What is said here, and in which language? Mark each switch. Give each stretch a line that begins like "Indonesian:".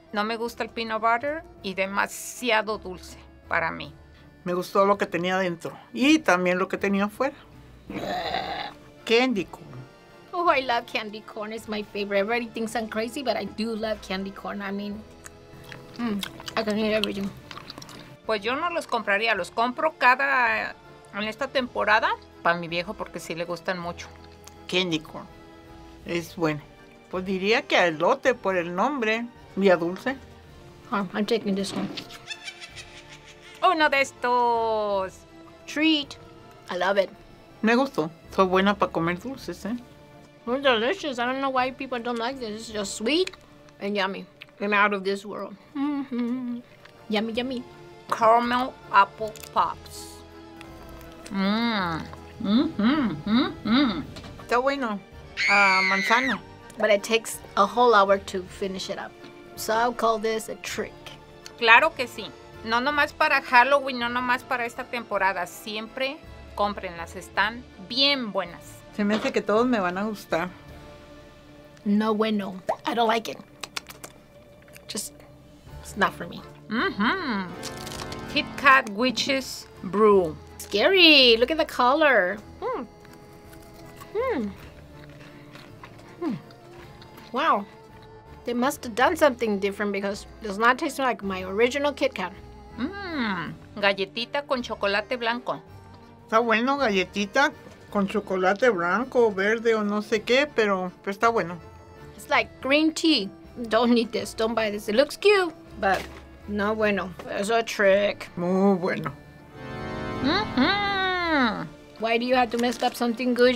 Spanish: No me gusta el peanut butter y demasiado dulce para mí. Me gustó lo que tenía dentro y también lo que tenía afuera.
English: Candy corn. Oh, I love candy corn. It's my favorite. Everybody thinks I'm crazy, but I do love candy corn. I mean, I can eat everything.
Spanish: Pues yo no los compraría. Los compro cada en esta temporada para mi viejo porque sí le gustan mucho. Candy corn. Es bueno. Pues diría que a elote por el nombre. Y a dulce.
English: Oh, I'm taking this one.
Spanish: Uno de estos.
English: Treat. I love it.
Spanish: Me gustó. Son buenas para comer dulces, ¿eh?
English: They're delicious. I don't know why people don't like this. It's just sweet and yummy. I'm out of this world. Yummy, yummy. Caramel apple pops.
Spanish: Está bueno. Manzana.
English: But it takes a whole hour to finish it up. So I'll call this a trick.
Spanish: Claro que sí. No nomás para Halloween, no nomás para esta temporada. Siempre... Cómprenlas, están bien buenas. Se me hace que todos me van a gustar. No bueno,
English: I don't like it. Just, it's not for me. Kit Kat Witch's Brew. Scary, look at the color. Wow, they must have done something different because it does not taste like my original Kit Kat.
Spanish: Galletita con chocolate blanco. Está bueno, galletita con chocolate blanco, verde o no sé qué, pero está bueno.
English: It's like green tea. Don't eat this. Don't buy this. It looks cute, but
Spanish: no bueno.
English: It's a trick.
Spanish: Muy bueno.
English: Why do you have to mess up something good?